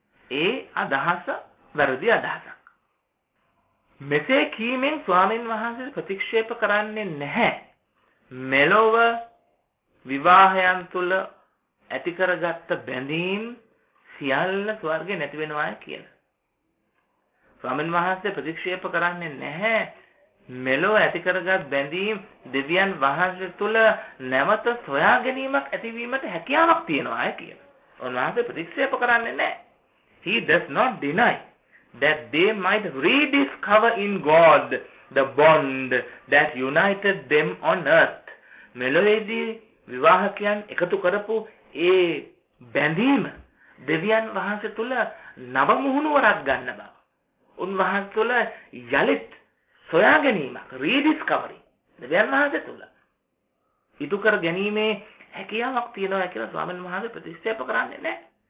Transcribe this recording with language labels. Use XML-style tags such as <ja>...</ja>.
<si>ඒ අදහස වැරදි අදහසක්. මෙසේ කීමෙන් ස්වාමීන් වහන්සේ ප්‍රතික්ෂේප කරන්නේ නැහැ මෙලොව විවාහයන් තුළ ඇති කරගත්ත බැඳීම් සියල්ල ස්වර්ගේ නැති වෙනවා කියලා. ස්වාමීන් වහන්සේ ප්‍රතික්ෂේප කරන්නේ නැහැ මෙලොව ඇති කරගත් බැඳීම් දෙවියන් වහන්සේ තුළ නැවත සොයා ගැනීමක් ඇතිවීමට හැකියාවක් තියෙනවා කියලා. උන්වහන්සේ ප්‍රතික්ෂේප කරන්නේ නැහැ.</si> <en>He does not deny that they might rediscover in God the bond that united them on earth.</en> <si>මෙලොවේදී විවාහකයන් එකතු කරපු ඒ බැඳීම දෙවියන් වහන්සේ තුළ නව මුහුණුවරක් ගන්න බව. උන්වහන්සේ තුළ යලිත් සොයා ගැනීමක්, රීඩිස්කවරි දෙවියන් වහන්සේ තුළ ඉටු කර ගැනීමේ හැකියාවක් තියෙනවා කියලා ස්වාමීන් වහන්සේ ප්‍රතික්ෂේප කරන්නේ නැහැ.</si>